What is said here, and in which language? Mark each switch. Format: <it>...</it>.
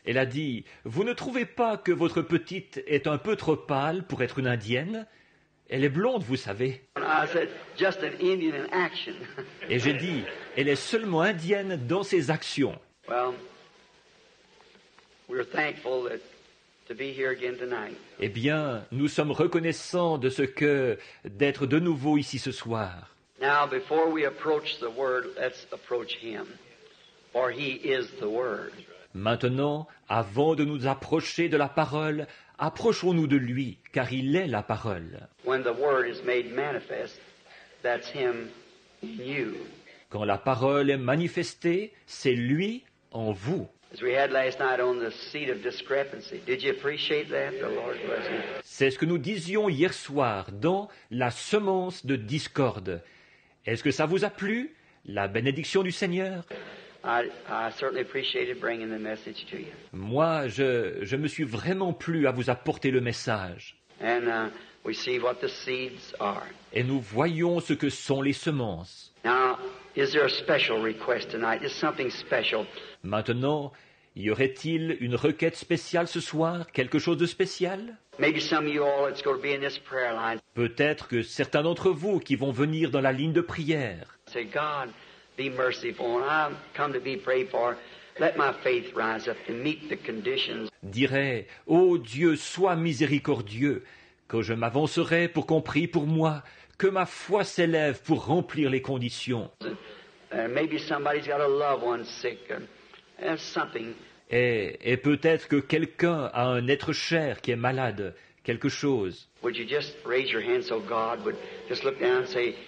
<fr>Elle a dit, vous ne trouvez pas que votre petite est un peu trop pâle pour être une indienne? Elle est blonde, vous savez.</fr> <en>I said, just an Indian in action.</en> <fr>Et j'ai dit, elle est seulement indienne dans ses actions.</fr> <en>Well, we're thankful that to be here again tonight.</en> <fr>Eh bien, nous sommes reconnaissants de ce que d'être de nouveau ici ce soir.</fr> <en>Now, before we approach the word, let's approach him. For he is the word.</en> <fr>Maintenant, avant de nous approcher de la parole, approchons-nous de lui, car il est la parole.</fr> <en>When the word is made manifest, that's him in you.</en> <fr>Quand la parole est manifestée, c'est lui en vous.</fr> <en>As we had last night on the seat of discrepancy, did you appreciate that? The Lord bless you.</en> <fr>C'est ce que nous disions hier soir dans la semence de discorde. Est-ce que ça vous a plu, la bénédiction du Seigneur?</fr> <en>I certainly appreciated bringing the message to you.</en> <fr>Moi, je me suis vraiment plu à vous apporter le message.</fr> <en>And we see what the seeds are.</en> <fr>Et nous voyons ce que sont les semences.</fr> <en>Now, is there a special request tonight? Is something special?</en> <fr>Maintenant, y aurait-il une requête spéciale ce soir? Quelque chose de spécial?</fr> <en>Maybe some of you all it's going to be in this prayer line.</en> <fr>Peut-être que certains d'entre vous qui vont venir dans la ligne de prière.</fr> <en>Say, God, be merciful, and I've come to be prayed for. Let my faith rise up and meet the conditions.</en> <fr>Dirai, ô Dieu, sois miséricordieux, que je m'avancerai pour qu'on prie pour moi, que ma foi s'élève pour remplir les conditions.</fr> <en>Maybe somebody's got a loved one sick, and something.</en> <fr>Et peut-être que quelqu'un a un être cher qui est malade, quelque chose.</fr> <en>Would you just raise your hand so God would just look down and say?</en>